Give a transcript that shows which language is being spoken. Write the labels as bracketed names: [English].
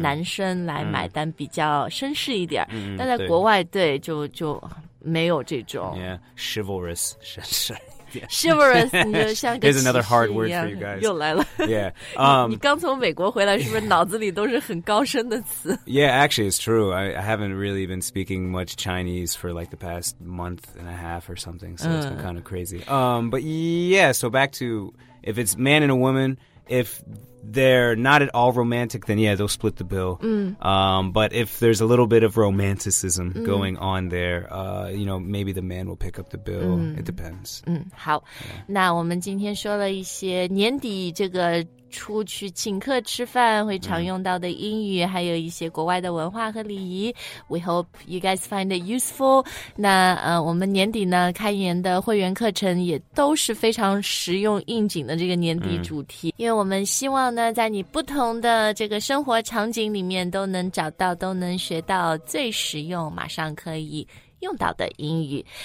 [Chinese] 男生来买单比较绅士一点，嗯、但在国外，对，对就没有这种。 [English] Yeah, chivalrous, [Chinese] chivalrous, 你就像个 [English] 骑士一样。 There's another hard word for you guys. [Chinese] 又来了。 [English] Yeah, [Chinese] 你刚从美国回来，是不是脑子里都是很高深的词 [English] ？Yeah, actually, it's true. I haven't really been speaking much Chinese for like the past month and a half or something, so it's been kind of crazy. But yeah, so back to if it's man and a woman, if they're not at all romantic, then yeah, they'll split the bill. But if there's a little bit of romanticism going on there, you know, maybe the man will pick up the bill. It depends. [Chinese] 嗯，好。那我们今天说了一些年底这个出去请客吃饭会常用到的英语，还有一些国外的文化和礼仪。 [English] We hope you guys find it useful. [Chinese] 那我们年底呢，开年的会员课程也都是非常实用应景的这个年底主题，因为我们希望呢，在你不同的这个生活场景里面，都能找到，都能学到最实用，马上可以用到的英语。